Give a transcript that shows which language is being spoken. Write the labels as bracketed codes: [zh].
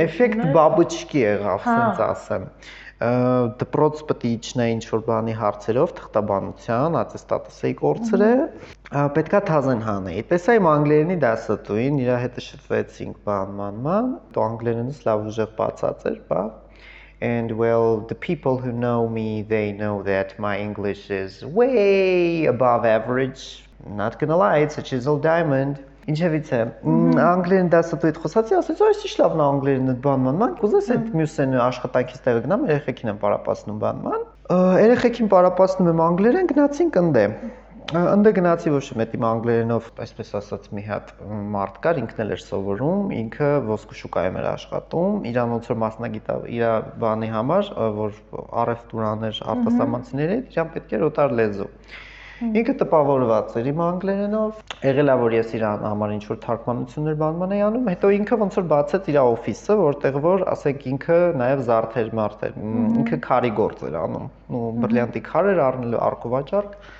[hy] է։ Էֆեկտ բաբուչկի եղավ, ասենց ասեմ։ Դպրոց պետք է իջնա ինչ-որ բանի հարցերով, թղթաբանության, ատեստատս էի կորցրել, պետքա թազեն հանեի։ Տեսա իմ անգլերենի դասատուին, իրա հետ շփվեցինք բանման, դու անգլերենից լավ ուժեղ բացած էր, բա։ [en] And well, the people who know me, they know that my English is way above average. Not gonna lie, it's a chiseled diamond. [hy] Ինչևից է, անգլերեն դասատուիտ խոսացի, ասեց, այս ի՞նչ լավն է անգլերեն այդ բանման, կուզես այդ մյուսեն աշխատանքից տեղը գնամ, երեխեքին եմ պարապացնում բանման, երեխեքին պարապացնում եմ անգլերեն, գնացինք ընդե, ընդե գնացի, ոչ թե իմ անգլերենով, այսպես ասած, մի հատ մարդ կար, ինքն էլ էր սովորում, ինքը ոսկու շուկայում էր աշխատում, իրան ոնց որ մասնագիտա իր բանի համար, որ առևտուրաներ, արտասահմանցիների, իրան պետք էր օտար լեզու։ Ինքը տպավորված էր իմ անգլերենով, եղել է, որ ես իր համար ինչ-որ թարգմանություններ բանման էի անում, հետո ինքը ոնց որ բացեց իր օֆիսը, որտեղ որ, ասենք, ինքը նաև զարդեր մարդ էր, ինքը քարի գործ էր անում, ու բրիլիանտի քար էր առնելու արկովաճարկ,